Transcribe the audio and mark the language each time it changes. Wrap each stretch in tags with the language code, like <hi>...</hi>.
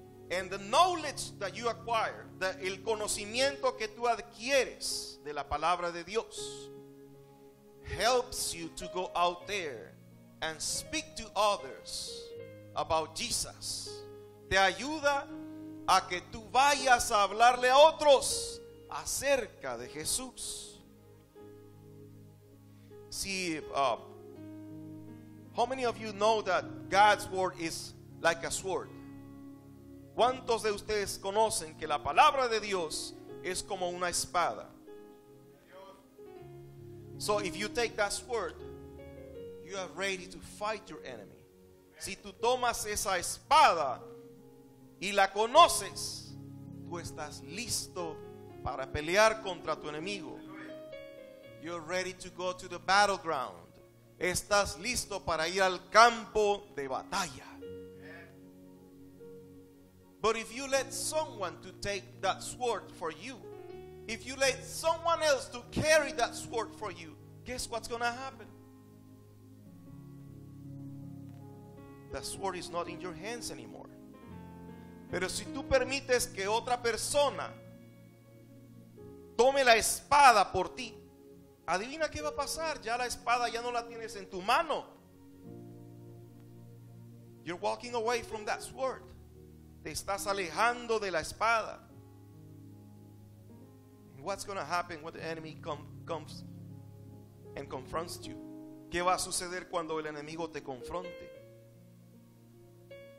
<en>And the knowledge that you acquire,</en> <es>el conocimiento que tú adquieres de la palabra de Dios,</es> <en>helps you to go out there and speak to others about Jesus.</en> <es>Te ayuda a que tú vayas a hablarle a otros acerca de Jesús.</es> <en>See, how many of you know that God's word is like a sword?</en> <es>¿Cuántos de ustedes conocen que la palabra de Dios es como una espada?</es> <en>So if you take that sword you are ready to fight your enemy.</en> <es>Si tú tomas esa espada y la conoces, tú estás listo para pelear contra tu enemigo.</es> <en>You're ready to go to the battleground.</en> <es>Estás listo para ir al campo de batalla.</es> <en>But if you let someone to take that sword for you, if you let someone else to carry that sword for you, guess what's going to happen? The sword is not in your hands anymore.</en> <es>Pero si tú permites que otra persona tome la espada por ti, adivina qué va a pasar. Ya la espada ya no la tienes en tu mano.</es> <en>You're walking away from that sword.</en> <es>Te estás alejando de la espada.</es> <en>And what's going to happen when the enemy comes and confronts you?</en> <es>¿Qué va a suceder cuando el enemigo te confronte?</es>